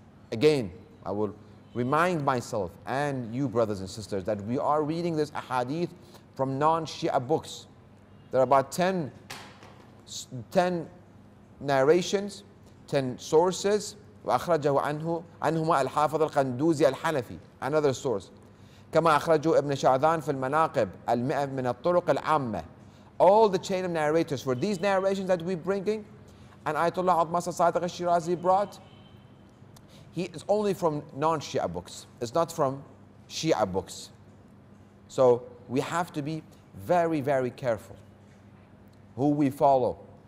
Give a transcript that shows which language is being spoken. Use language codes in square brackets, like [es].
[en] Again, I will remind myself and you brothers and sisters that we are reading this ahadith from non-Shia books. There are about 10 narrations, 10 sources. [ar] وأخرجه عنه عنهما الحافظ القندوزي الحنفي, [en] another source. [ar] كما أخرجه ابن شعذان في المناقب المئة من الطرق العامة. [en] All the chain of narrators for these narrations that we're bringing, and Ayatollah Abbas Sadiq al-Shirazi brought, he is only from non-Shia books. It's not from Shia books. So we have to be very, very careful who we follow.